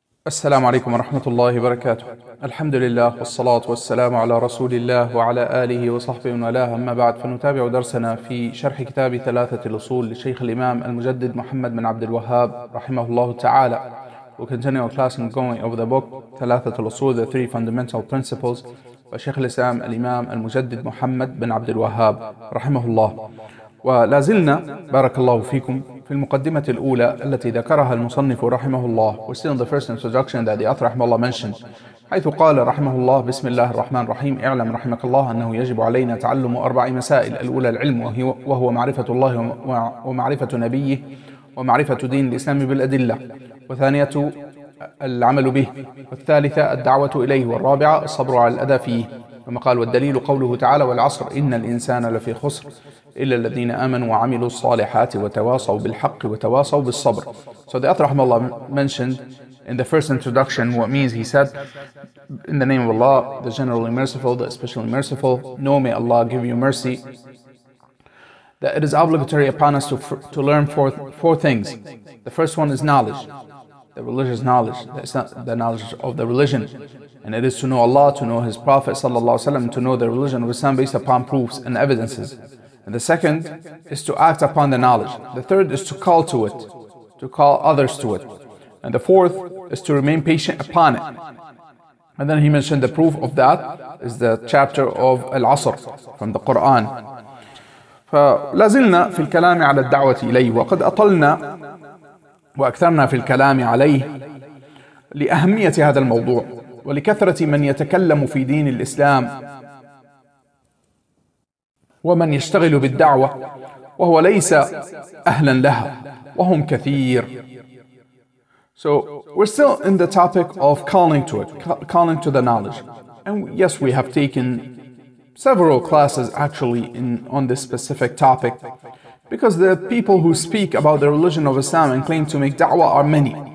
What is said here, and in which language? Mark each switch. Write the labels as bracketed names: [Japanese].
[Arabic] السلام عليكم ورحمة الله وبركاته. الحمد لله والصلاة والسلام على رسول الله وعلى آله وصحبه والاه. أما بعد، فنتابع درسنا في شرح كتاب ثلاثة الأصول لشيخ الإمام المجدد محمد بن عبد الوهاب رحمه الله تعالى. [English] We continue our class and going over the book ثلاثة الأصول, the three fundamental principles by شيخ الإسلام الإمام المجدد محمد بن عبد الوهاب رحمه الله. [Arabic] ولازلنا بارك الله فيكم في المقدمة الأولى التي ذكرها المصنف رحمه الله. [English] We're still in the first introduction that the author رحمه الله mentioned, [Arabic] حيث قال رحمه الله: بسم الله الرحمن الرحيم. اعلم رحمك الله أنه يجب علينا تعلم أربع مسائل. الأولى العلم, وهو معرفة الله ومعرفة نبيه ومعرفة دين الإسلام بالأدلة. وثانية العمل به. والثالثة الدعوة إليه. والرابعة الصبر على الأذى فيه. كما قال: والدليل قوله تعالى: والعصر إن الإنسان لفي خسر إلا الذين آمنوا وعملوا الصالحات وتواصوا بالحق وتواصوا بالصبر. [English] So the author رحمه الله mentioned in the first introduction what means. He said, in the name of Allah, the generally merciful, the especially merciful, know may Allah give you mercy, that it is obligatory upon us to learn four things. The first one is knowledge, the religious knowledge, the knowledge of the religion. And it is to know Allah, to know His Prophet sallallahu alaihi wasallam, to know the religion of Islam based upon proofs and evidences. And the second is to act upon the knowledge. The third is to call to it, to call others to it. And the fourth is to remain patient upon it. And then he mentioned the proof of that is the chapter of Al-Asr from the Quran. [Arabic] فلازلنا في الكلام على الدعوة إليه, وقد أطلنا وأكثرنا في الكلام عليه لأهمية هذا الموضوع ولكثرة من يتكلم في دين الإسلام ومن يشتغل بالدعوة وهو ليس أهلا لها وهم كثير. [English] So we're still in the topic of calling to it, calling to the knowledge. And yes, we have taken several classes actually on this specific topic, because the people who speak about the religion of Islam and claim to make da'wah are many.